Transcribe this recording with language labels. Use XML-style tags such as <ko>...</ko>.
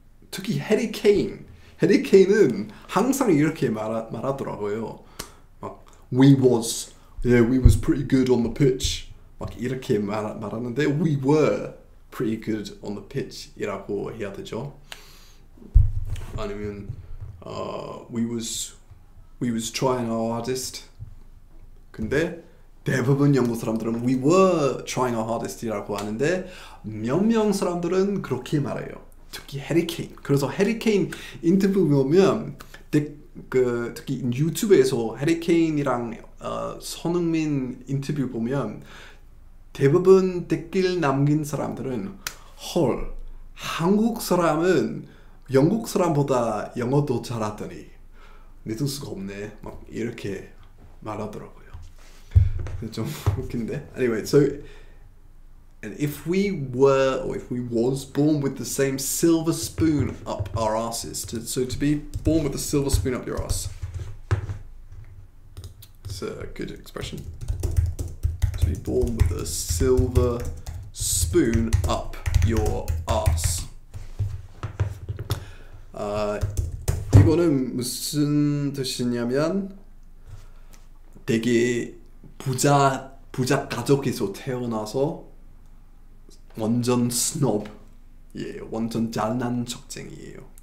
<ko>특히 해리 케인. 해리 케인은 항상 이렇게 말하더라고요.</ko> <en>막 we was pretty good on the pitch.</en> <ko>막 이렇게 말하는데</ko> <en>we were pretty good on the pitch</en> <ko>이라고 해야 되죠. 아니면</ko> <en>we was We was trying our hardest.</en> <ko>근데 대부분 영국 사람들은</ko> <en>we were trying our hardest</en> <ko>이라고 하는데 몇 명 사람들은 그렇게 말해요. 특히 해리케인. 그래서 해리케인 인터뷰 보면 그 특히 유튜브에서 해리케인이랑 손흥민 인터뷰 보면 대부분 댓글 남긴 사람들은 헐 한국 사람은 영국 사람보다 영어도 잘하더니 믿을 수가 없네 막 이렇게 말하더라고요. 좀 웃긴데.</ko> <en>Anyway, so and if we were or if we was born with the same silver spoon up our asses, so to be born with a silver spoon up your ass. It's a good expression. To be born with a silver spoon up your ass.</en> <ko>이거는 무슨 뜻이냐면 되게 부자 가족에서 태어나서 완전 스노브예요. 완전 잘난 척쟁이에요.</ko>